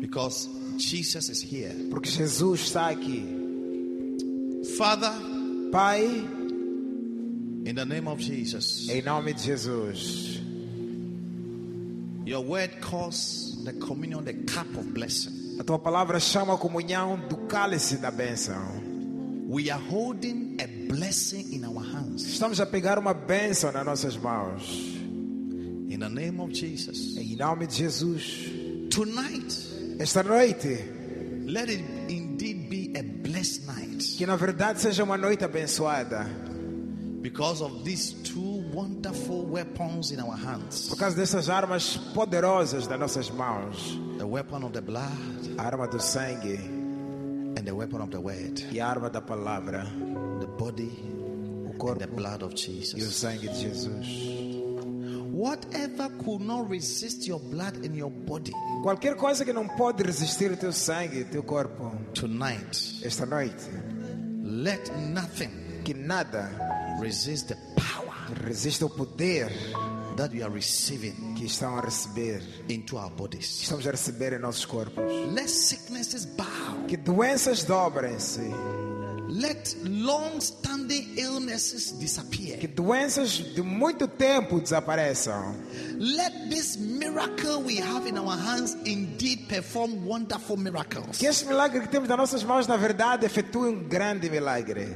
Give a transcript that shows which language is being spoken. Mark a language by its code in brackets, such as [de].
[en] Because Jesus is here. [pt] Porque Jesus está aqui. [en] Father, [pt] Pai, [en] in the name of Jesus. [pt] Em nome de Jesus. [en] Your word calls the communion the cup of blessing. [pt] A tua palavra chama a comunhão do cálice da bênção. [en] We are holding a blessing in our hands. [pt] Estamos a pegar uma bênção nas nossas mãos. [en] In the name of Jesus. [pt] Em nome de Jesus. [en] Tonight. [pt] Esta noite. [en] Let it indeed be a blessed night. [pt] Que na verdade seja uma noite abençoada. [en] Because of these two wonderful weapons in our hands. [pt] Por causa dessas armas poderosas nas nossas mãos. [en] The weapon of the blood. [pt] A arma do sangue. [en] And the weapon of the word. [pt] E a arma da palavra. [en] The body. [pt] O corpo. [en] And the blood of Jesus. [pt] E o sangue de Jesus. [en] Whatever could not resist your blood and your body. [pt] Qualquer coisa que não pode resistir teu sangue, teu corpo. [en] Tonight. [pt] Esta noite. [en] Let nothing. [pt] Que nada. [en] Resist the power. [pt] Resiste o poder. [en] That we are receiving. [pt] Que estão a receber. [en] Into our bodies. [pt] Estamos a receber em nossos corpos. [en] Let sicknesses bow. [pt] Que doenças dobrem-se. [en] Let long-standing illnesses disappear. [pt] Que doenças de muito tempo desapareçam. [en] Let this miracle we have in our hands indeed perform wonderful miracles. [pt] Que este milagre que temos nas nossas mãos na verdade efetue grande milagre.